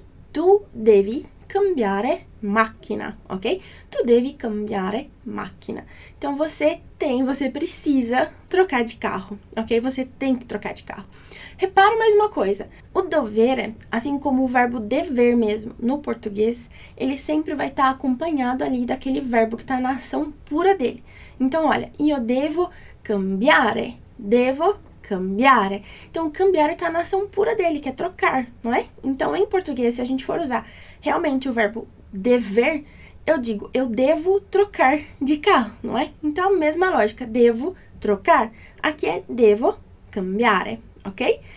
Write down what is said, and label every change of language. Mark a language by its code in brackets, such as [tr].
[it] Tu devi cambiare macchina, ok? Tu devi cambiare macchina. [pt] Então você precisa trocar de carro, ok? Você tem que trocar de carro. Repara mais uma coisa: o dovere, assim como o verbo dever mesmo no português, ele sempre vai estar acompanhado ali daquele verbo que está na ação pura dele. Então, olha, [it] io devo cambiare, devo cambiare. [pt] Então, cambiare está na ação pura dele, que é trocar, não é? Então, em português, se a gente for usar realmente o verbo dever, eu digo, eu devo trocar de carro, não é? Então, mesma lógica, devo trocar. Aqui é [it] devo cambiare, [pt] ok?